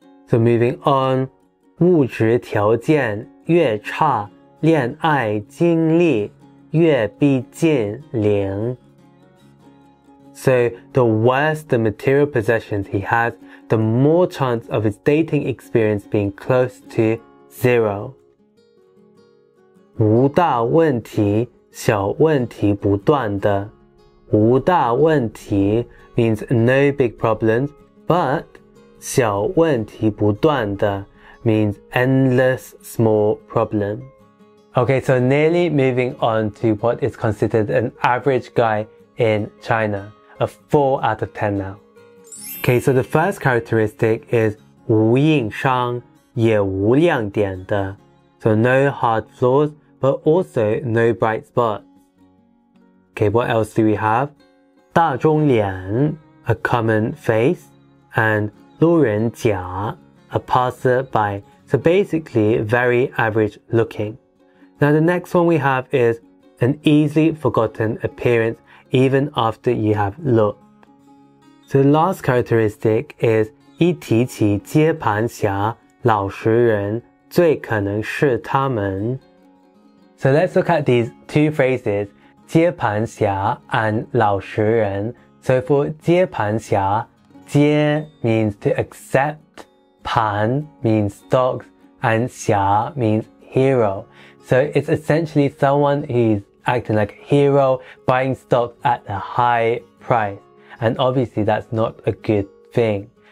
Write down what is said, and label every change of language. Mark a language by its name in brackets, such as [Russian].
[English] So moving on, [Chinese] 物质条件越差，恋爱经历越逼近零。 [English] So the worse the material possessions he has, the more chance of his dating experience being close to zero. [Chinese] 无大问题，小问题不断的。无大问题 [English] means no big problems, but [Chinese] 小问题不断的 [English] means endless small problems. Okay, so nearly moving on to what is considered an average guy in China, a 4 out of 10 now. Okay, so the first characteristic is [Chinese] 无硬伤，也无亮点的。 [English] So no hard flaws, but also no bright spots. Okay, what else do we have? [Chinese] 大众脸, [English] a common face, and [Chinese] 路人甲, [English] a passerby. So basically, very average looking. Now the next one we have is an easily forgotten appearance even after you have looked. So the last characteristic is [Chinese] 一提起接盘侠,老实人,最可能是他们。 [English] So let's look at these two phrases. 接盘侠 and 老实人 So for 接盘侠 接 means to accept 盘 means stocks and 侠 means hero So it's essentially someone who's acting like a hero buying stocks at a high price and obviously that's not a good thing